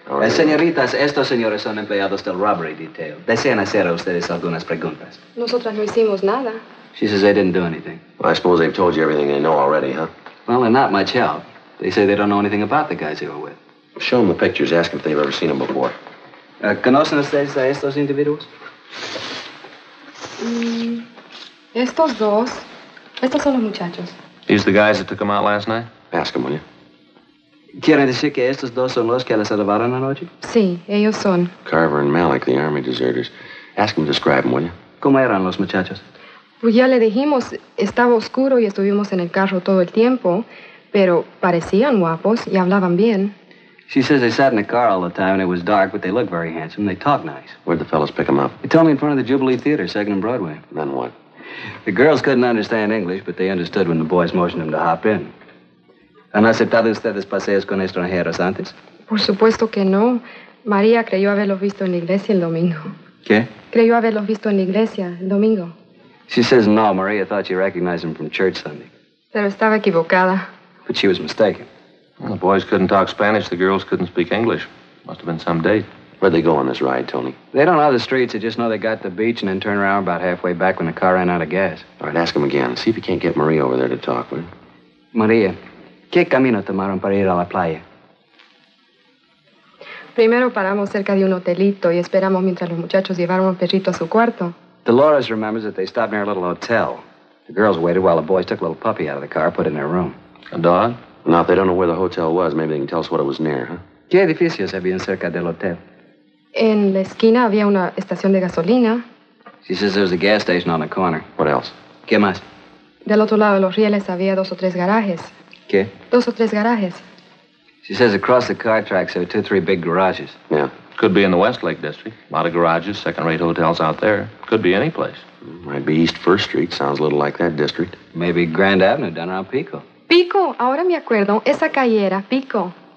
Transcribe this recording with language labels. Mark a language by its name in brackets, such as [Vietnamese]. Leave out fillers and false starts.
[Spanish] Señoritas, estos señores son empleados del [English] robbery detail. [Spanish] Desean hacer a ustedes algunas preguntas. Nosotras no hicimos nada. [English] She says they didn't do anything. Well, I suppose they've told you everything they know already, huh? Well, they're not much help. They say they don't know anything about the guys they were with. Show them the pictures. Ask them if they've ever seen them before. [Spanish] ¿Conocen ustedes a estos individuos? Estos dos. Estos son los muchachos. [English] These are the guys that took them out last night? Ask them, will you? [Spanish] ¿Quieren decir que estos dos son los que les salvaron anoche? Sí, ellos son. [English] Carver and Malik, the army deserters. Ask them to describe them, will you? [Spanish] ¿Cómo eran los muchachos? Pues ya le dijimos, estaba oscuro y estuvimos en el carro todo el tiempo, pero parecían guapos y hablaban bien. [English] She says they sat in the car all the time and it was dark, but they looked very handsome and they talked nice. Where'd the fellas pick them up? They told me in front of the Jubilee Theater, 2nd and Broadway. Then what? The girls couldn't understand English, but they understood when the boys motioned them to hop in. [Spanish] ¿Han aceptado ustedes paseos con extranjeros antes? Por supuesto que no. María creyó haberlos visto en la iglesia el domingo. ¿Qué? Creyó haberlos visto en la iglesia el domingo. [English] She says no, Maria thought she recognized him from church Sunday. [Spanish] Pero estaba equivocada. [English] But she was mistaken. Well, the boys couldn't talk Spanish, the girls couldn't speak English. Must have been some date. Where'd they go on this ride, Tony? They don't know the streets, they just know they got to the beach and then turn around about halfway back when the car ran out of gas. All right, ask them again. See if you can't get Maria over there to talk, will you? [Spanish] Maria, ¿qué camino tomaron para ir a la playa? Primero paramos cerca de un hotelito y esperamos mientras los muchachos llevaron un perrito a su cuarto. [English] Dolores remembers that they stopped near a little hotel. The girls waited while the boys took a little puppy out of the car, put it in their room. A dog? Now, if they don't know where the hotel was, maybe they can tell us what it was near, huh? [Spanish] ¿Qué edificios habían cerca del hotel? En la esquina había una estación de gasolina. [English] She says there was a gas station on the corner. What else? [Spanish] ¿Qué más? Del otro lado de los rieles había dos o tres garajes. ¿Qué? Dos o tres garajes. [English] She says across the car tracks there were two or three big garages. Yeah. Could be in the Westlake District. A lot of garages, second-rate hotels out there. Could be any place. Might be East 1st Street. Sounds a little like that district. Maybe Grand Avenue down around Pico. [Spanish] Pico. Ahora me acuerdo. Esa calle era Pico.